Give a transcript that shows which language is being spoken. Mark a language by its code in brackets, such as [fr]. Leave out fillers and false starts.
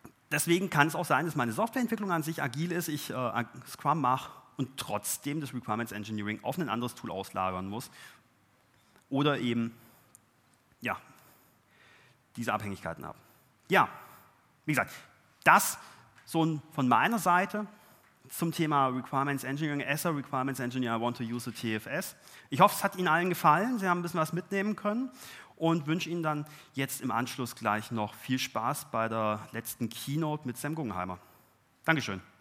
[de] Deswegen kann es auch sein, dass meine Softwareentwicklung an sich agil ist, ich Scrum mache, und trotzdem das Requirements Engineering auf ein anderes Tool auslagern muss oder eben ja, diese Abhängigkeiten habe. Ja, wie gesagt, das so von meiner Seite zum Thema Requirements Engineering. [en] As a Requirements Engineer, I want to use a TFS. [de] Ich hoffe, es hat Ihnen allen gefallen. Sie haben ein bisschen was mitnehmen können und wünsche Ihnen dann jetzt im Anschluss gleich noch viel Spaß bei der letzten Keynote mit Sam Guggenheimer. Dankeschön.